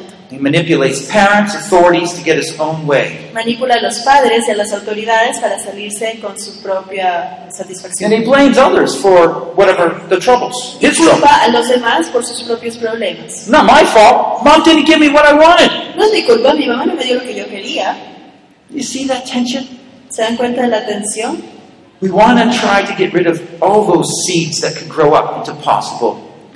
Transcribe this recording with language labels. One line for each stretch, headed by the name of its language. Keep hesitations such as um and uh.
English: He manipulates parents, authorities to get his own way.
Spanish: Manipula a los padres y a las autoridades para salirse con su propia satisfacción.
English: And he blames others for whatever the troubles. His culpa it's
Spanish: a los demás por sus propios problemas.
English: Not my fault. Mom didn't give me what I wanted.
Spanish: No es mi culpa. Mi mamá no me dio lo que yo quería.
English: You see that tension?
Spanish: Se dan cuenta de la tensión?
English: We want to try to get rid of all those seeds that can grow up into possible